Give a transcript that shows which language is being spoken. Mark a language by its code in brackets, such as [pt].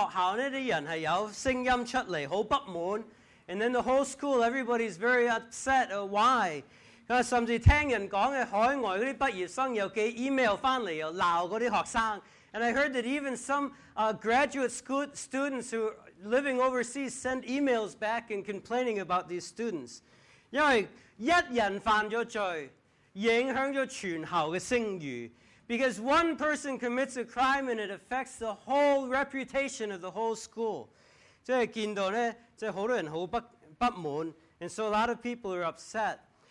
[yue] 然后呢,就影响整间学校的人有声音出来,很不满. [en] And then the whole school, everybody is very upset. Why? [yue] 甚至听人讲的海外那些毕业生又寄 email 回来又骂那些学生. [en] And I heard that even some graduate school students who are living overseas send emails back and complaining about these students. [yue] 因为一人犯了罪，影响了全校的声誉. [en] Because one person commits a crime and it affects the whole reputation of the whole school. [yue] 即是看到呢，即是好多人好不满. [en] And so a lot of people are upset.